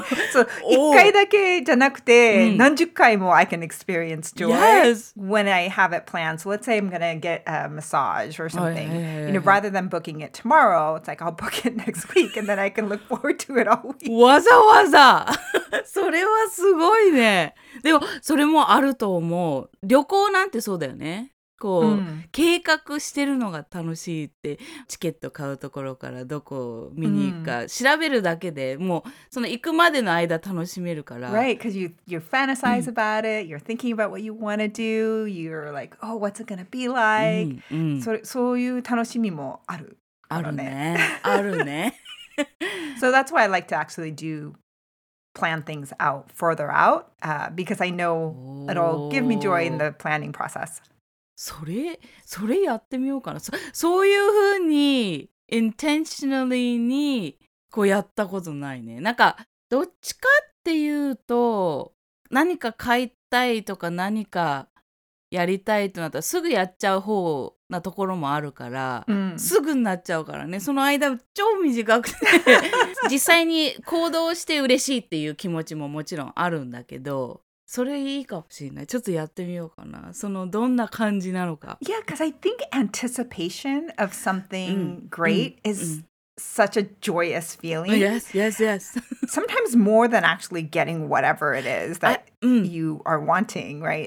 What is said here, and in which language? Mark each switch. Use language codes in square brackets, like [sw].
[en] So [ja] 一回だけじゃなくて何十回も [en] I can experience joy when I have it planned. So let's say I'm going to get a massage or something. You know, rather than booking it tomorrow, it's like I'll book it next week and then I can look forward to it all week. [ja] わざわざ。それはすごいね。でもそれもあると思う。旅行なんてそうだよね。こう計画してるのが楽しいって、チケット買うところからどこを見に行くか調べるだけでもうその行くまでの間楽しめるから [en] Right, because you fantasize about it, you're thinking about what you want to do, you're like, oh, what's it gonna be like? [ja] そういう楽しみもあるあるね、あるね [en] So that's why I like to actually do plan things out further out, because I know it'll give me joy in the planning process [ja] それやってみようかな。そういうふうに intentionally にこうやったことないね。なんかどっちかっていうと何か買いたいとか何かやりたいとなったらすぐやっちゃう方なところもあるから、すぐになっちゃうからね。その間超短くて実際に行動して嬉しいっていう気持ちももちろんあるんだけど。それいいかもしれない。ちょっとやってみようかな。そのどんな感じなのか。 [en] Yeah, because I think anticipation of something great is such a joyous feeling. Yes, yes, yes. Sometimes more than actually getting whatever it is that you are wanting, right?